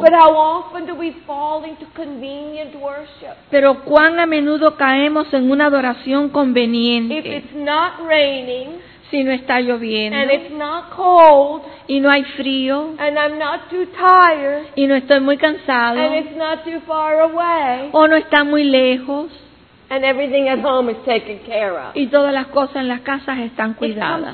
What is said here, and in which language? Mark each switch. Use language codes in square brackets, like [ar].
[en] But how often do we fall into convenient worship? [es] Pero cuán a menudo caemos en una adoración conveniente. [en] If it's not raining. [es] Si no está lloviendo, [en] and it's not cold, [es] y no hay frío, [en] and I'm not too tired, [es] y no estoy muy cansado, [en] and it's not too far away, [es] o no está muy lejos, [en] and everything at home is taken care of. [es] Y todas las cosas en las casas están cuidadas.